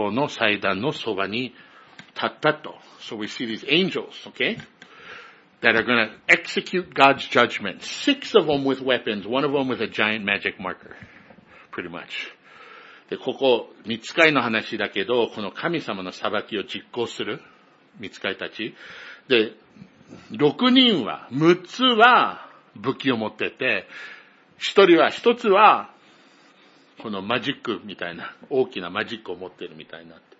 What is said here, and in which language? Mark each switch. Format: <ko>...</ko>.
<ja>見ると、6人の男がそれぞれ打ち壊す武器を手に持って、北に面する神の門を通ってやってきた。もう一人の人が、天布の衣をまとい、腰には初期の、筆入れをつけて彼の中にいた。彼らは入ってきて、聖堂の祭壇のそばに立ったと。</ja> <en>So we see these angels, okay? That are gonna execute God's judgment. 6 of them with weapons, 1 of them with a giant magic marker. Pretty much.</en> <ja>で、 ここ 御使いの話だけど、 この 神様の裁きを実行する 御使いたち。で、 6人は、 6つは 武器を持ってて、 1人は、 1つは この マジックみたいな、 大きなマジックを持ってるみたいな。</ja>